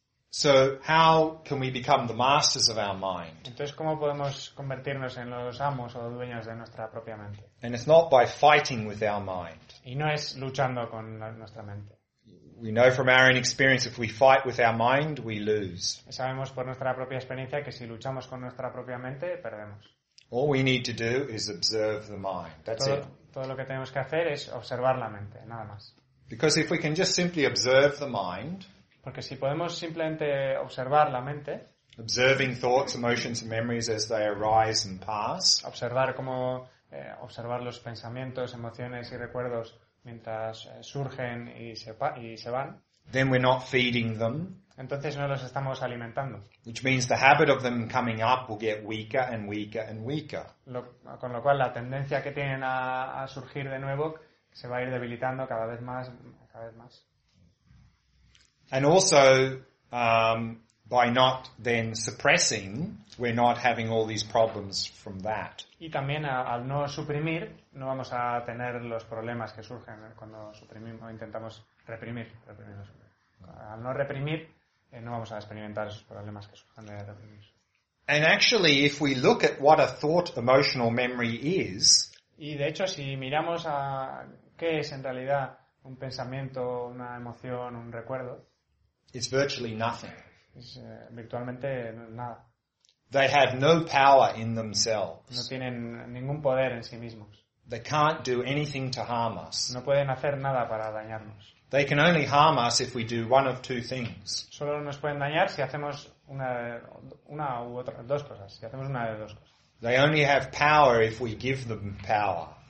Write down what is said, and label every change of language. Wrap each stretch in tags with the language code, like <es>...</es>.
<en>So how can we become the masters of our mind?</en> <es>Entonces, ¿cómo podemos convertirnos en los amos o dueños de nuestra propia mente?</es> <en>And it's not by fighting with our mind.</en> <es>Y no es luchando con nuestra mente.</es> <en>We know from our own experience if we fight with our mind, we lose.</en> <es>Sabemos por nuestra propia experiencia que si luchamos con nuestra propia mente, perdemos.</es> <en>All we need to do is observe the mind. That's</en> <es>todo,</es> <en>it.</en> <es>Todo lo que tenemos que hacer es observar la mente, nada más.</es> <en>Because if we can just simply observe the mind,</en> <es>porque si podemos simplemente observar la mente,</es> <en>observing thoughts, emotions, and memories as they arise and pass,</en> <es>observar cómo observar los pensamientos, emociones y recuerdos mientras surgen y se van,</es> <en>then we're not feeding them,</en> <es>entonces no los estamos alimentando,</es> <en>which means the habit of them coming up will get weaker and weaker and weaker.</en> <es>Con lo cual la tendencia que tienen a surgir de nuevo se va a ir debilitando cada vez más, cada vez más.</es> <en>And also, by not then suppressing, we're not having all these problems from that.</en> <es>Y también al no suprimir, no vamos a tener los problemas que surgen cuando suprimimos o intentamos reprimir. Al no reprimir, no vamos a experimentar esos problemas que surgen de reprimir.</es> <en>And actually, if we look at what a thought emotional memory is,</en> <es>y de hecho, si miramos a qué es en realidad un pensamiento, una emoción, un recuerdo,</es> <en>it's virtually nothing.</en> <es>Es virtualmente nada.</es> <en>They have no power in themselves.</en> <es>No tienen ningún poder en sí mismos.</es> <en>They can't do anything to harm us.</en> <es>No pueden hacer nada para dañarnos.</es> <en>They can only harm us if we do one of two things.</en> <es>Solo nos pueden dañar si hacemos una u otra, dos cosas, si hacemos una de dos cosas.</es> <en>They only have power if we give them power.</en>